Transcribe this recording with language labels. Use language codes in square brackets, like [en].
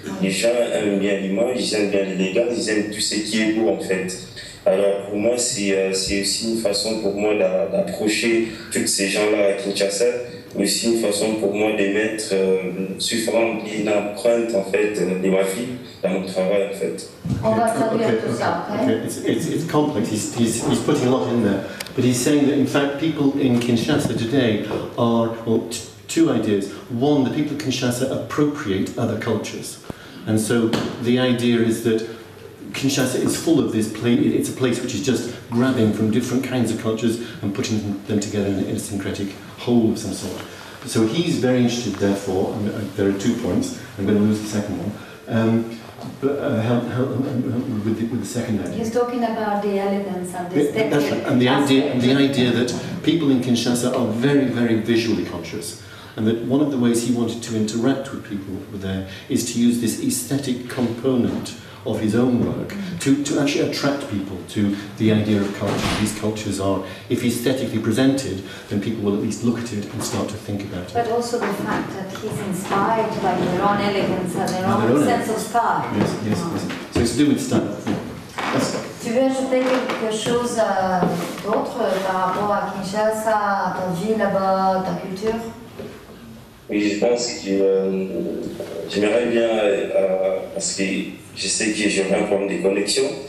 [fr] Les gens aiment bien l'image, ils aiment bien l'élégance, ils aiment tout ce qui est beau, en fait. Alors, pour moi, c'est aussi une façon pour moi d'approcher tous ces gens-là à Kinshasa. Aussi une façon pour moi de mettre sous forme d'une empreinte en fait de ma vie dans mon travail en fait. On va traduire tout ça. [en] It's complex. He's putting a lot in there, but he's saying that in fact people in Kinshasa today are two ideas. One, the people of Kinshasa appropriate other cultures, and so the idea is that Kinshasa is full of this place, it's a place which is just grabbing from different kinds of cultures and putting them together in a syncretic whole of some sort. So he's very interested, therefore, and there are two points, I'm going to lose the second one, with the second idea. He's talking about the elegance and the aesthetic. And the idea that people in Kinshasa are very, very visually conscious, and that one of the ways he wanted to interact with people there is to use this aesthetic component of his own work to actually attract people to the idea of culture. These cultures are, if aesthetically presented, then people will at least look at it and start to think about it. But also the fact that he's inspired by their own elegance and their own sense of style. Yes. So it's to do with style. Yeah. Yes. [fr] Tu veux ajouter quelque chose d'autre par rapport à Kinshasa, ta vie là-bas, ta culture? Oui, je pense que j'aimerais bien parce que je sais que j'aurai un problème de connexion.